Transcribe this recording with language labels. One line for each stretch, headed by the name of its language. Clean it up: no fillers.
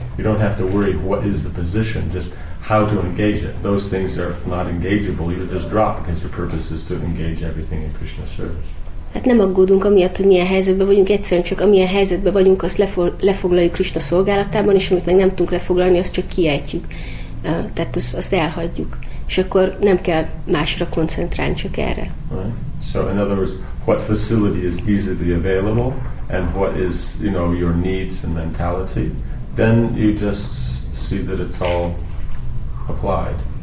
English: You don't have to worry what is the position, just how to engage it. Those things are not engageable, you just drop, because your purpose is to engage everything in Krishna's service.
Hungarian: Hát nem aggódunk amiatt, hogy milyen helyzetben vagyunk, egyszerűen csak amilyen helyzetben vagyunk, azt lefoglaljuk Krisna szolgálatában, és amit meg nem tudunk lefoglalni, azt csak kiejtjük. Tehát azt elhagyjuk. És akkor nem kell másra koncentrálni, csak erre.
English: Right. So in other words, what facility is easily available, and what is, you know, your needs and mentality, then you just see that it's all applied.